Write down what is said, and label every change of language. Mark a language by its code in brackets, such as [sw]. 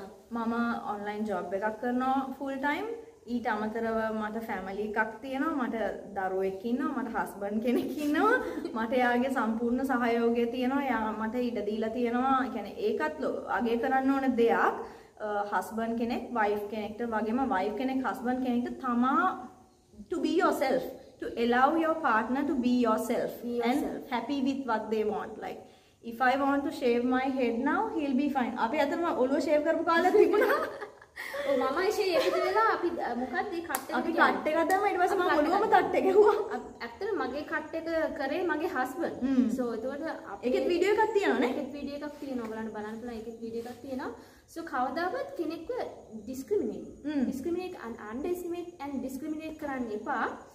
[si] මම online job එකක් කරනවා ෆුල් ටයිම්. ඊට අමතරව මට ෆැමිලි එකක් තියෙනවා. මට දරුවෙක් ඉන්නවා, මට හස්බන්ඩ් කෙනෙක් ඉන්නවා, මට එයාගේ සම්පූර්ණ සහයෝගය තියෙනවා. එයා මට ඉඩ දීලා තියෙනවා. يعني ඒකත් අගේ කරන්න ඕන දෙයක්. හස්බන්ඩ් කෙනෙක් වයිෆ් කෙනෙක්ට වගේම වයිෆ් කෙනෙක් හස්බන්ඩ් කෙනෙක්ට තමා [en] to be yourself, to allow your partner to be yourself and happy with what they want. Like if I want to shave my head now, he'll be fine. [si] අපි අතරම ඔළුව shave කරපු කාලයක් තිබුණා. ඔව් මම ෂේව් එකදෙලා අපි මොකක්ද මේ කට් එක අපි කට් එක දැම්ම ඊට පස්සේ මම ඔළුවම කට් එක ගැහුවා. ඇත්තට මගේ කට් එක කරේ මගේ හස්බන්ඩ්. සෝ එතකොට ඒකෙත් වීඩියෝ එකක් තියෙනවා නේ? ඒකෙත් වීඩියෝ එකක් තියෙනවා. ඔයගලන්ට බලන්න පුළුවන් ඒකෙත් වීඩියෝ එකක් තියෙනවා. සෝ කවදාවත් කෙනෙක්ව ඩිස්ක්‍රිමිනේට් අන්ඩිස්ක්‍රිමිනේට් කරන්න එපා.